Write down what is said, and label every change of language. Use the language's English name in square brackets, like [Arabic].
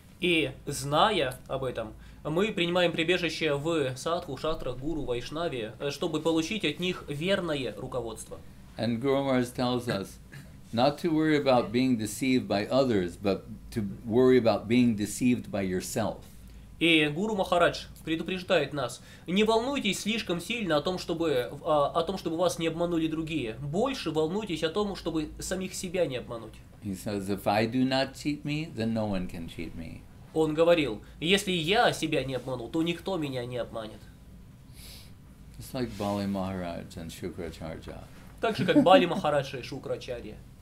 [Russian] И зная об этом, мы принимаем прибежище в садху, шастрах, гуру, вайшнаве, чтобы получить от них верное руководство. [English] And Guru Maharaj tells us not to worry about being deceived by others, but to worry about being deceived by yourself. [Russian] И Гуру Махарадж предупреждает нас, не волнуйтесь слишком сильно о том, чтобы вас не обманули другие. Больше волнуйтесь о том, чтобы самих себя не обмануть. [English] He says, if I do not cheat me, then no one can cheat me. [Russian] Он говорил, если я себя не обману, то никто меня не обманет. [English] It's like Bali Maharaj and Shukrachargya. [Russian] Так же, как Бали Махарадж и Шукрачарья.